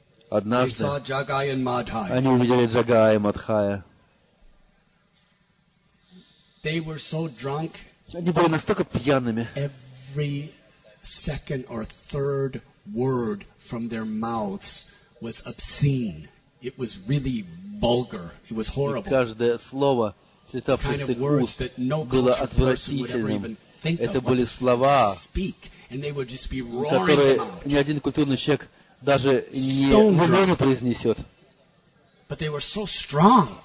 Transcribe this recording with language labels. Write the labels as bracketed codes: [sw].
[ru] Однажды они увидели Джагая Мадхая. Они были настолько пьяными, [en] every second or third word from their mouths was obscene. It was really vulgar. It was horrible. [ru] Каждое слово, слетавшее с уст, было отвратительным. Это были слова, которые ни один культурный человек даже не в уме не произнесет. [en] But they were so strong.